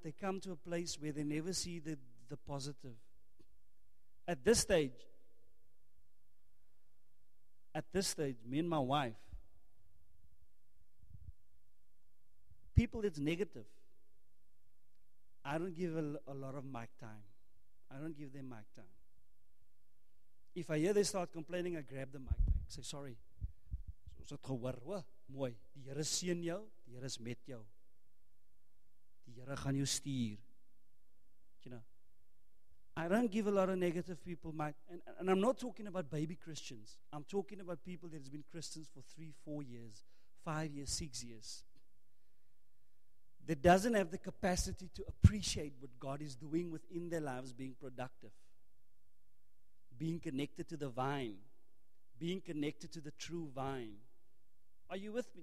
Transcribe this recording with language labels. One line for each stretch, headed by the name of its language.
English: They come to a place where they never see the positive. At this stage, me and my wife, people that's negative, I don't give a lot of mic time. I don't give them mic time. If I hear they start complaining, I grab the mic back. Say, sorry. So it's a word.
Afrikaans: Mooi, die Here seën jou, die Here is met jou. Die Here gaan jou stuur.
English: You know, I don't give a lot of negative people my, and I'm not talking about baby Christians. I'm talking about people that has been Christians for 3, 4 years, 5 years, 6 years. That doesn't have the capacity to appreciate what God is doing within their lives, being productive, being connected to the vine, being connected to the true vine. Are you with me?